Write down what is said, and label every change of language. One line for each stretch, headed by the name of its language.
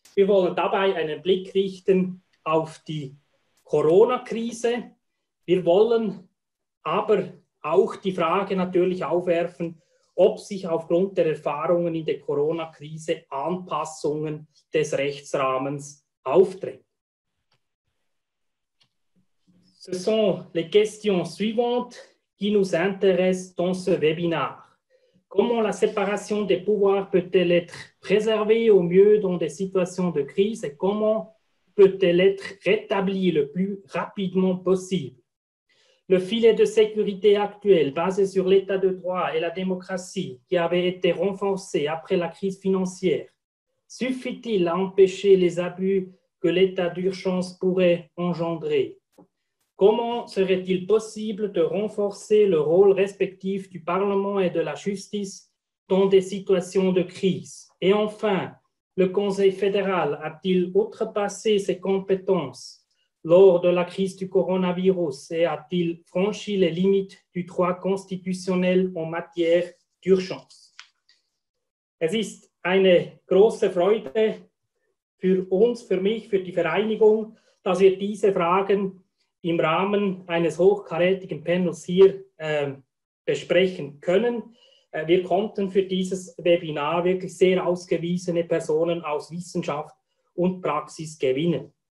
German: Wir wollen dabei einen Blick richten auf die Corona-Krise. Wir wollen aber auch die Frage natürlich aufwerfen, ob sich aufgrund der Erfahrungen in der Corona-Krise Anpassungen des Rechtsrahmens aufdrängen.
French: Ce sont les questions suivantes qui nous intéressent dans ce webinar. Comment la séparation des pouvoirs peut-elle être préservée au mieux dans des situations de crise et comment peut-elle être rétablie le plus rapidement possible? Le filet de sécurité actuel basé sur l'état de droit et la démocratie qui avait été renforcé après la crise financière suffit-il à empêcher les abus que l'état d'urgence pourrait engendrer? Comment serait-il possible de renforcer le rôle respectif du Parlement et de la justice dans des situations de crise? Et enfin, le Conseil fédéral a-t-il outrepassé ses compétences lors de la crise du coronavirus et a-t-il franchi les limites du droit constitutionnel en matière d'urgence?
German: Es ist eine große Freude für uns, für mich, für die Vereinigung, dass wir diese Fragen im Rahmen eines hochkarätigen Panels hier besprechen können. Wir konnten für dieses Webinar wirklich sehr ausgewiesene Personen aus Wissenschaft und Praxis gewinnen.